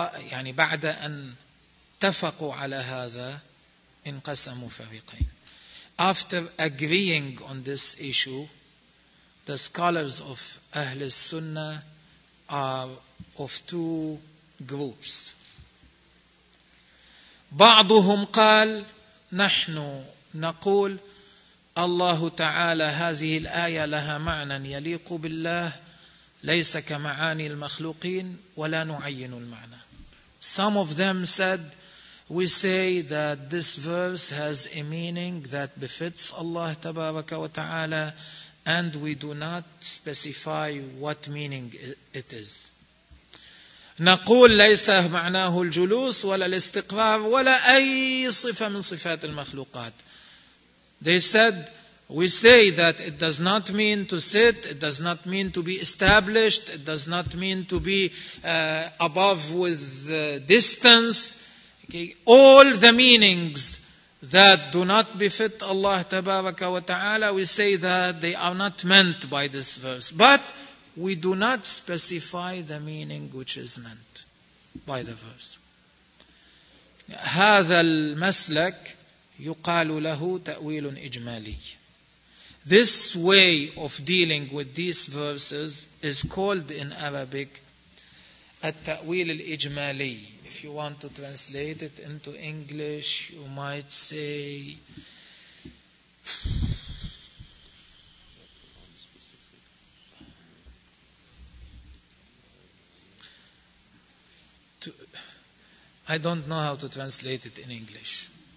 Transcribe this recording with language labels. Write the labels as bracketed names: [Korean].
[Arabic] يعني بعد أن اتفقوا على هذا انقسموا فريقين. [English] After agreeing on this issue, the scholars of Ahl al-Sunnah are of two groups. [Arabic] بعضهم قال نحن نقول الله تعالى هذه الآية لها معنى يليق بالله ليس كمعاني المخلوقين ولا نعين المعنى. [English] Some of them said, we say that this verse has a meaning that befits Allah تبارك وتعالى, and we do not specify what meaning it is. [Arabic] نقول ليس معناه الجلوس ولا الاستقرار ولا أي صفة من صفات المخلوقات. [English] They said, we say that it does not mean to sit, it does not mean to be established, it does not mean to be above with distance. Okay. All the meanings that do not befit Allah تبارك وتعالى, we say that they are not meant by this verse. But we do not specify the meaning which is meant by the verse. [Arabic] هذا المسلك يقال له تأويل إجمالي. [English] This way of dealing with these verses is called in Arabic التأويل الإجمالي. If you want to translate it into English, you might say I don't know how to translate it in English.